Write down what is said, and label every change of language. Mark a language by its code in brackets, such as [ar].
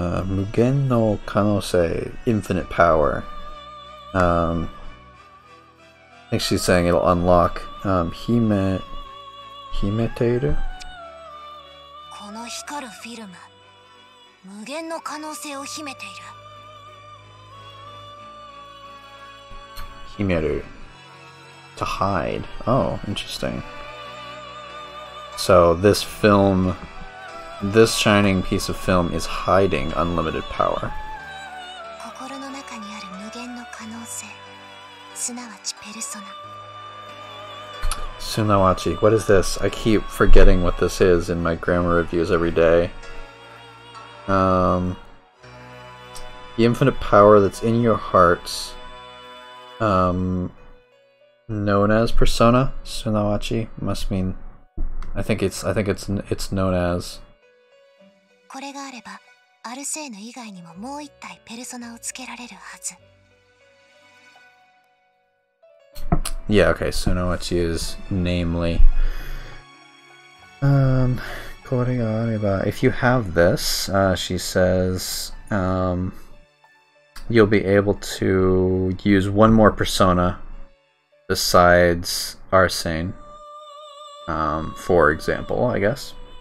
[ja] Mugen no kanosei, [en] infinite power. I think she's saying it'll unlock [ja] hime teiru. Kono 光るフィルム、無限の可能性を秘めている。秘める、 [en] to hide. Oh, interesting. So this film, this shining piece of film is hiding unlimited power. [ja] 心の中にある無限の可能性、すなわちペルソナ。 [en] Sunawachi, what is this? I keep forgetting what this is in my grammar reviews every day. The infinite power that's in your hearts, known as persona, Sunawachi must mean. I think it's known as. [ja] これがあれば、アルセーヌ以外にももう一体ペルソナをつけられるはず。 [en] Yeah, okay, so now what she is, namely. If you have this, she says, you'll be able to use one more persona besides Arsene, for example, I guess.